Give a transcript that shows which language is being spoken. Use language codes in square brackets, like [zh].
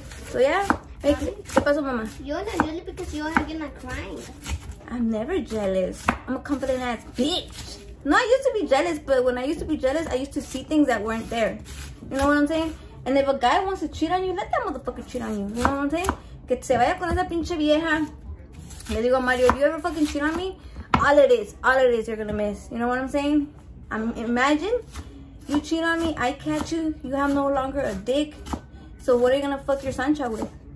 [en] So yeah, make it. [es] ¿Qué pasó, mamá? [en] You're not jelly because you're hugging and crying. I'm never jealous. I'm a confident ass bitch. No, I used to be jealous, but when I used to be jealous, I used to see things that weren't there. You know what I'm saying? And if a guy wants to cheat on you, let that motherfucker cheat on you. You know what I'm saying? [es] Que se vaya con esa pinche vieja. Le digo, [en] Mario, if you ever fucking cheat on me, all it is you're gonna miss. You know what I'm saying? Imagine you cheat on me, I catch you, you have no longer a dick. So what are you gonna fuck your Sancha with?